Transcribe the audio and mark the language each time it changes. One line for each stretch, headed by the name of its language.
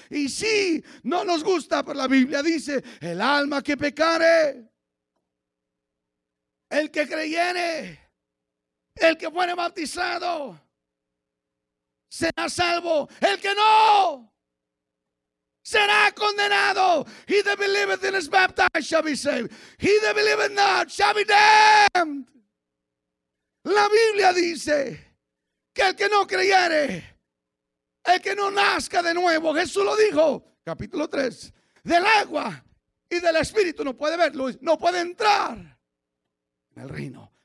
Spanish: Y sí, no nos gusta, pero la Biblia dice, el alma que pecare, el que creyere, el que fuere bautizado, será salvo. El que no, será condenado.
English: He that believeth and is baptized shall be saved. He that believeth not shall be damned.
Spanish: La Biblia dice que el que no creyere, el que no nazca de nuevo, Jesús lo dijo, capítulo 3, del agua y del espíritu no puede verlo, no puede entrar en el reino.